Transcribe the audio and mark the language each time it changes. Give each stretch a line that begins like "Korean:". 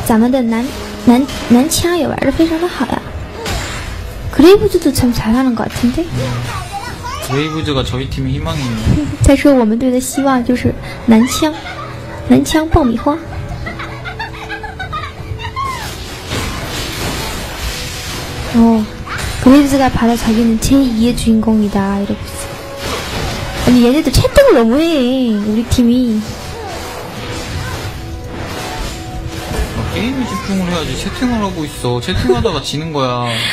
Chinese: 咱们的男枪也玩得非常的好呀.
Korean: 그레이브즈도 참 잘하는 것 같은데? 그레이브즈가 저희 팀의 희망이네.
Chinese: 再说我们队的希望就是男枪爆米花.
Korean: 오, 그레이브즈가 바로 자기는 제2의 주인공이다 이러고 있어. 아니 얘네도 채팅을 너무해 우리 팀이. 게임에 집중을 해야지. 채팅을 하고 있어. 채팅하다가 지는 거야.